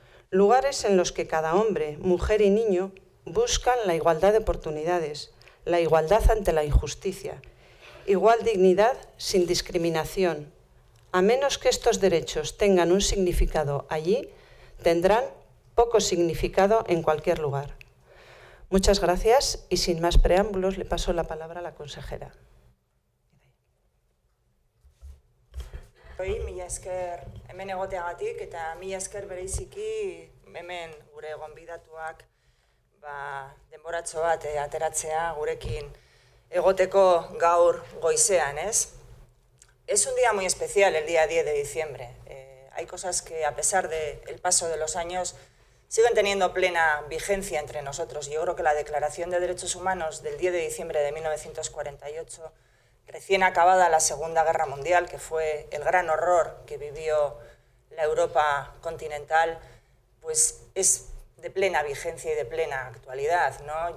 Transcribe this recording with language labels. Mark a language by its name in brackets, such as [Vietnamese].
[Spanish] Lugares en los que cada hombre, mujer y niño buscan la igualdad de oportunidades, la igualdad ante la injusticia, igual dignidad sin discriminación. A menos que estos derechos tengan un significado allí, tendrán poco significado en cualquier lugar. Muchas gracias y sin más preámbulos le paso la palabra a la consejera. [Basque] Hoy mila esker hemen egoteagatik eta mila esker bereiziki hemen gure gonbidatuak denboratxo bat ateratzea gurekin egoteko gaur goizean, ez? [Spanish] Es un día muy especial el día 10 de diciembre. Hay cosas que a pesar del paso de los años siguen teniendo plena vigencia entre nosotros. Yo creo que la Declaración de Derechos Humanos del 10 de diciembre de 1948, recién acabada la Segunda Guerra Mundial, que fue el gran horror que vivió la Europa continental, pues es de plena vigencia y de plena actualidad, ¿no?